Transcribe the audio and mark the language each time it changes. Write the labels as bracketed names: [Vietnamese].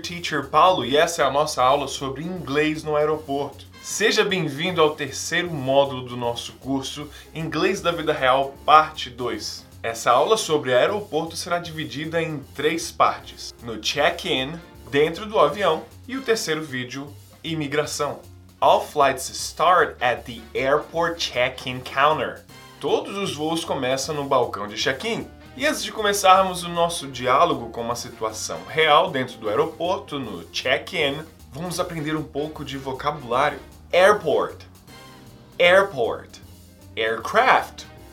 [Portuguese] Teacher Paulo e essa é a nossa aula sobre inglês no aeroporto. Seja bem-vindo ao terceiro módulo do nosso curso Inglês da Vida Real, parte 2. Essa aula sobre aeroporto será dividida em três partes. No check-in, dentro do avião, e o terceiro vídeo, imigração. [English] All flights start at the airport check-in counter. [Portuguese] Todos os voos começam no balcão de check-in. E antes de começarmos o nosso diálogo com uma situação real dentro do aeroporto, no check-in, vamos aprender um pouco de vocabulário. [English] Airport. Airport. Aircraft.